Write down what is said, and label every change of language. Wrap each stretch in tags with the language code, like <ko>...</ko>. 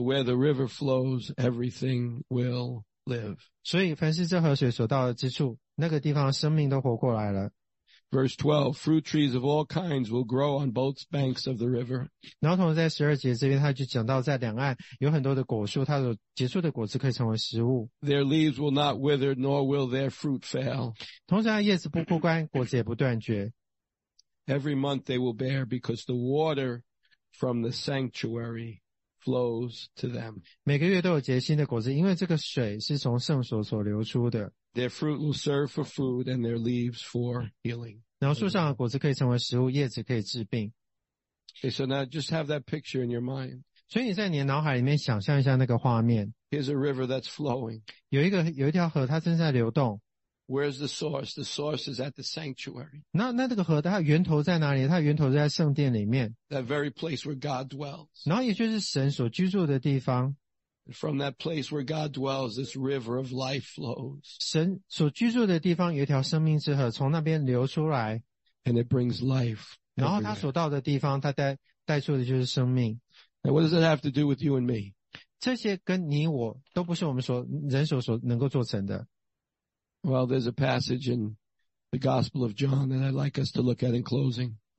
<en>where the river flows, everything will live.</en> <zh>所以凡是这河水所到的之处， 那个地方生命都活过来了。</zh> <en>Verse 12, fruit trees of all kinds will grow on both banks of the river.</en> <zh>然后同时在12节这边，他就讲到在两岸有很多的果树，它所结出的果子可以成为食物。</zh> <en>Their leaves will not wither, nor will their fruit fail.</en> <zh>同时它叶子不枯干，果子也不断绝。</zh> <en>Every month they will bear because the water from the sanctuary flows to them.</en> <zh>每个月都有结新的果子，因为这个水是从圣所所流出的。</zh> <en>Their fruit will serve for food and their leaves for healing.</en> <zh>然后树上的果子可以成为食物，叶子可以治病。</zh> <en>Okay, so now just have that picture in your mind.</en> <zh>所以你在你的脑海里面想象一下那个画面。</zh> <en>Here's a river that's flowing.</en> <zh>有一条河它正在流动。</zh> <en>Where's the source? The source is at the sanctuary.</en> <zh>那这个河它源头在哪里? 它源头在圣殿里面。</zh> <en>That very place where God dwells.</en> <zh>然后也就是神所居住的地方。</zh> <en>From that place where God dwells, this river of life flows.</en> <zh>神所居住的地方有一条生命之河从那边流出来。</zh> <en>And it brings life.</en> <zh>然后它所到的地方它带出的就是生命。</zh> <en>Now what does it have to do with you and me?</en> <zh>这些跟你我都不是我们人手所能够做成的。</zh> <en>Well, there's a passage in the Gospel of John that I'd like us to look at in closing.</en>